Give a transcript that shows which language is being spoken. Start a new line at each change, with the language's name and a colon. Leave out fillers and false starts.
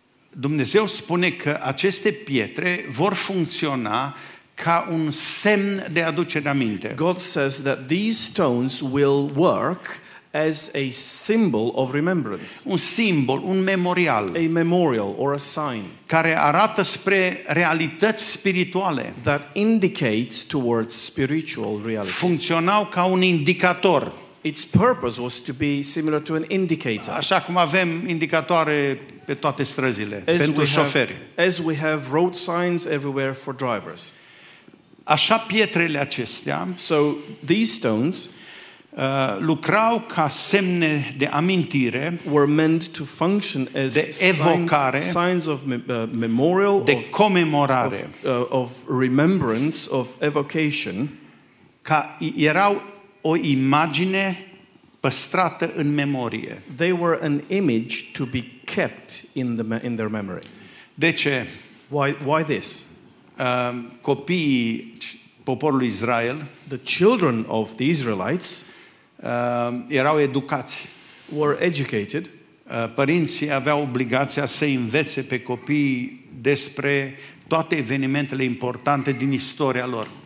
Romanian: Dumnezeu spune că aceste pietre vor funcționa ca un semn de aducere aminte.
English: God says that these stones will work as a symbol of remembrance.
Romanian: Un simbol, un memorial.
English: A memorial or a sign.
Romanian: Care arată spre realități spirituale.
English: That indicates towards spiritual realities.
Romanian: Funcționau ca un indicator.
English: Its purpose was to be similar to an indicator.
Romanian: Așa cum avem indicatoare pe toate străzile pentru șoferi.
English: As we have road signs everywhere for drivers.
Romanian: Așa pietrele acestea,
English: so these stones,
Romanian: lucrau ca semne de amintire,
English: were meant to function as
Romanian: de evocare,
English: signs of memorial,
Romanian: de comemorare,
English: of remembrance, of evocation,
Romanian: ca erau o imagine păstrată în memorie.
English: They were an image to be kept in their memory.
Romanian: De ce?
English: Why this?
Romanian: Copiii poporului Israel,
English: the children of the Israelites,
Romanian: erau educați,
English: were educated,
Romanian: părinții aveau obligația să învețe pe copii despre toate evenimentele importante din istoria lor.